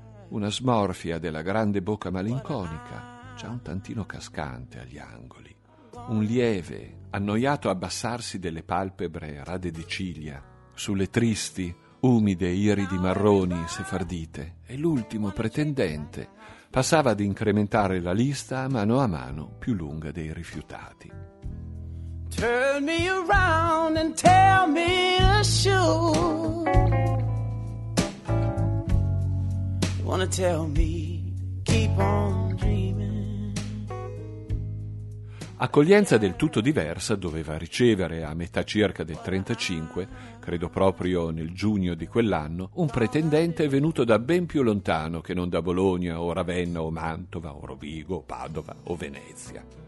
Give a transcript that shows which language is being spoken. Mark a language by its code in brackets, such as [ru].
[it] Una smorfia della grande bocca malinconica, già un tantino cascante agli angoli, un lieve, annoiato abbassarsi delle palpebre rade di ciglia, sulle tristi, umide iridi marroni sefardite, e l'ultimo pretendente passava ad incrementare la lista a mano più lunga dei rifiutati. [en] Turn me around and tell me the shoe. Wanna tell me, keep on dreaming. [it] Accoglienza del tutto diversa doveva ricevere a metà circa del 35, credo proprio nel giugno di quell'anno, un pretendente venuto da ben più lontano che non da Bologna o Ravenna o Mantova o Rovigo o Padova o Venezia.